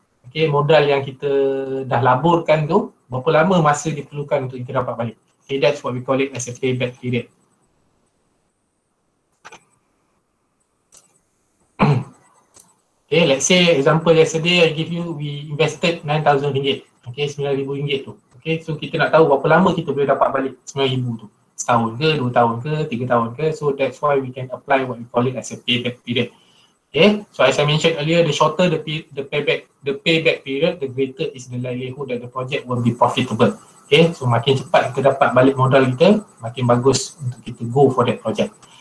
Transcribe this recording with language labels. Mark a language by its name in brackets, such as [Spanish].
[Malay] Okay, modal yang kita dah laburkan tu, berapa lama masa diperlukan untuk kita dapat balik. [English] Okay, that's what we call it as a payback period. Okay, let's say example yesterday, I give you, we invested RM9,000. [Malay] Okay, RM9,000 tu. Okay, so kita nak tahu berapa lama kita boleh dapat balik RM9,000 tu. Setahun ke, dua tahun ke, tiga tahun ke. [English] So that's why we can apply what we call it as a payback period. Okay, so as I mentioned earlier, the shorter the payback period, the greater is the likelihood that the project will be profitable. [Malay] Okay, so makin cepat kita dapat balik modal kita, makin bagus untuk kita [English] go for that project.